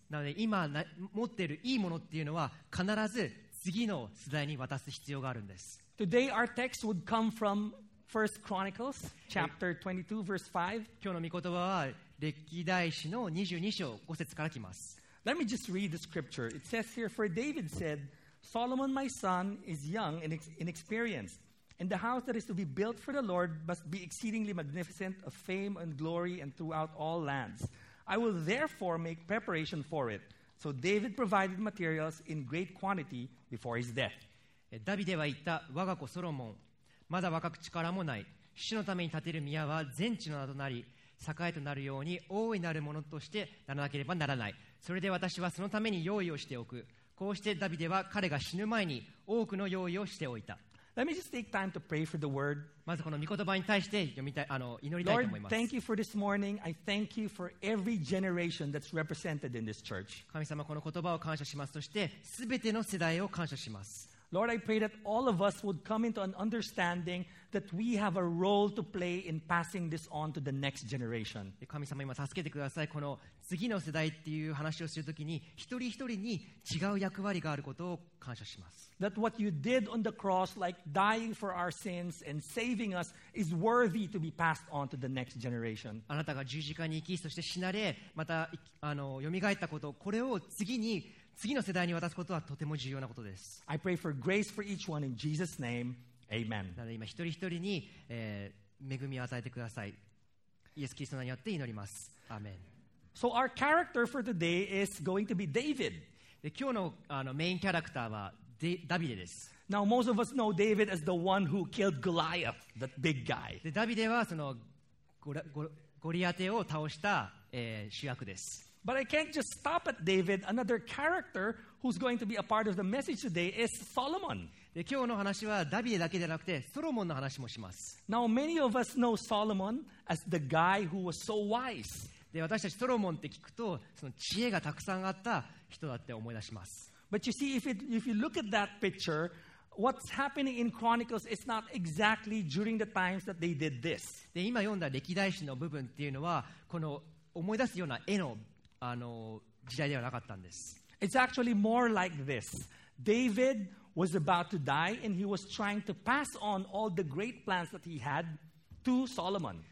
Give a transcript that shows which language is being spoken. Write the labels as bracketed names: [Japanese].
[Japanese] なので、今持っているいいものっていうのは、必ず次の世代に渡す必要があるんです。 [English] Today our text would come from First Chronicles chapter 22 verse 5. [Japanese] 今日の御言葉は歴代史の22章5節から来ます。 [English] Let me just read the scripture. It says here, for David said, Solomon my son is young and inexperienced, and the house that is to be built for the Lord must be exceedingly magnificent of fame and glory and throughout all lands. I will therefore make preparation for it. So David provided materials in great quantity before his death. [Japanese] ダビデは言った、我が子ソロモン。まだ若く力もない主のために建てる宮は全地の名となり栄えとなるように大いなるものとしてならなければならない。それで私はそのために用意をしておく。こうしてダビデは彼が死ぬ前に多くの用意をしておいた。 [English] Let me just take time to pray for the word. [Japanese] まずこの御言葉に対して読みたい、祈りたいと思います。 [English] Lord, thank you for this morning. I thank you for every generation that's represented in this church. [Japanese] 神様、この言葉を感謝します。そして全ての世代を感謝します。 [English] Lord, I pray that all of us would come into an understanding that we have a role to play in passing this on to the next generation. [Japanese] 神様、今助けてください。この次の世代っていう話をするときに、一人一人に違う役割があることを感謝します。 [English] That what you did on the cross, like dying for our sins and saving us, is worthy to be passed on to the next generation. [Japanese] あなたが十字架に生き、そして死なれ、また蘇ったこと、これを次に次の世代に渡すことはとても重要なことです。 [English] I pray for grace for each one in Jesus' name. Amen. [Japanese] なので今一人一人に、恵みを与えてください。イエス・キリストの名によって祈ります。アーメン。 [English] So our character for today is going to be David. [Japanese] で今日 の, メインキャラクターはダビデです。 [English] Now most of us know David as the one who killed Goliath, that big guy. [Japanese] でダビデはそのゴリアテを倒した、主役です。 [English] But I can't just stop at David. Another character who's going to be a part of the message today is Solomon. [Japanese] で、今日の話はダビデだけじゃなくてソロモンの話もします。 [English] Now many of us know Solomon as the guy who was so wise. [Japanese] で、私たちソロモンって聞くと、その知恵がたくさんあった人だって思い出します。 [English] But you see, if you look at that picture, what's happening in Chronicles is not exactly during the times that they did this. [Japanese] で、今読んだ歴代史の部分っていうのは、この思い出すような絵の時代ではなかったんです。 [English] It's actually more like this. David was about to die, and he was trying to pass on all the great plans that he had to Solomon.